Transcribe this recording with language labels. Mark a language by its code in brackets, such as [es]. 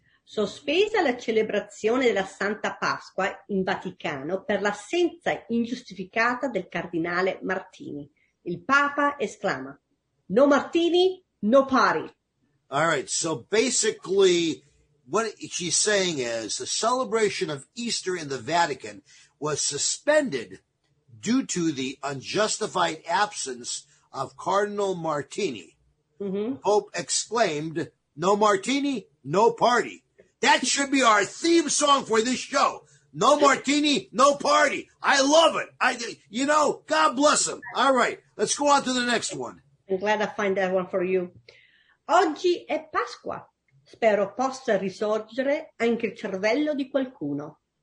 [it] Sospesa la celebrazione della Santa Pasqua in Vaticano per l'assenza ingiustificata del cardinale Martini. Il Papa esclama, no Martini, no party. [en] All right, so basically what she's saying is the celebration of Easter in the Vatican was suspended due to the unjustified absence of Cardinal Martini. Mm-hmm. Pope exclaimed, no Martini, no party. That should be our theme song for this show. No Martini, no party. I love it. God bless him. All right, let's go on to the next one. I'm glad I find that one for you. [it] Oggi è Pasqua. Spero possa risorgere anche il cervello di qualcuno.